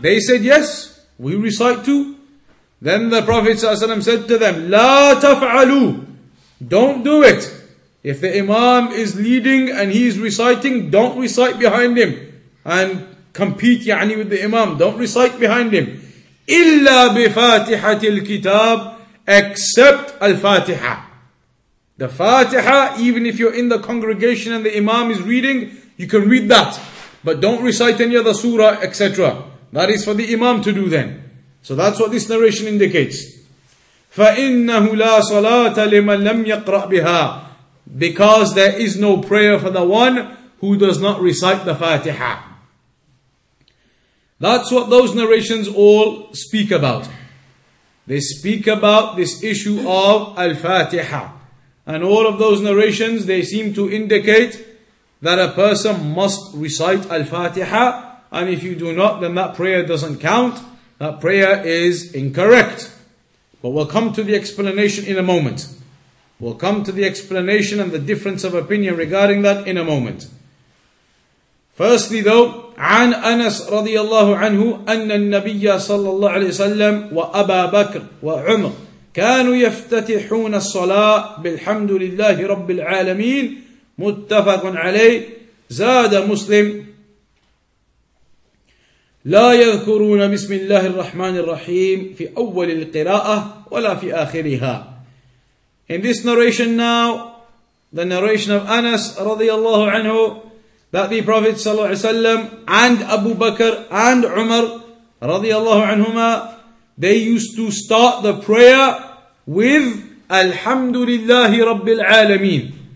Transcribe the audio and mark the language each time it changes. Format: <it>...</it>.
<en>They said, yes, we recite too. Then the Prophet ﷺ said to them,</en> <ar>لَا تَفْعَلُوا.</ar> <en>Don't do it. If the Imam is leading and he is reciting, don't recite behind him. And compete</en> <ar>يعني</ar> <en>with the Imam. Don't recite behind him.</en> <ar>إِلَّا بِفَاتِحَةِ الْكِتَابِ.</ar> <en>Except Al-Fatiha. The Fatiha, even if you're in the congregation and the Imam is reading, you can read that. But don't recite any other surah, etc. That is for the Imam to do then. So that's what this narration indicates.</en> <ar>فَإِنَّهُ لَا صَلَاةَ لِمَنْ لَمْ يَقْرَأْ بِهَا.</ar> <en>Because there is no prayer for the one who does not recite the Fatiha. That's what those narrations all speak about. They speak about this issue of Al-Fatiha. And all of those narrations, they seem to indicate that a person must recite Al-Fatiha. And if you do not, then that prayer doesn't count. That prayer is incorrect. But we'll come to the explanation in a moment. We'll come to the explanation and the difference of opinion regarding that in a moment.</en> <ar>Firstly though, عن أنس رضي الله عنه أن النبي صلى الله عليه وسلم وأبا بكر وعمر كانوا يفتتحون الصلاة بالحمد لله رب العالمين متفق عليه زاد مسلم لا يذكرون بسم الله الرحمن الرحيم في أول القراءة ولا في آخرها.</ar> <en>In this narration now, the narration of Anas رضي الله عنه, that the Prophet صلى الله عليه وسلم and Abu Bakr and Umar رضي الله عنهما, they used to start the prayer with</en> <ar>الحمد لله رب العالمين.</ar>